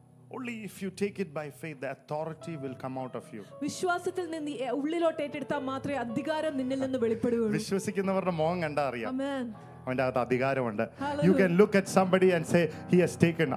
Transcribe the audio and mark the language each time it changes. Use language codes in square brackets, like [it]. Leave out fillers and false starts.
[en] Only if you take it by faith, the authority will come out of you. [ml] വിശ്വാസത്തിൽ നിന്ന് ഉള്ളിലോട്ടേറ്റെടുത്താൽ മാത്രമേ അധികാരം നിന്നിൽ നിന്ന് വെളിപ്പെടുകയുള്ളൂ. വിശ്വസിക്കുന്നവരുടെ മുഖം കണ്ടാൽ അറിയാം. ആമേൻ. അവന്റെ അകത്ത് അധികാരമുണ്ട്. [en] You can look at somebody and say, he has taken.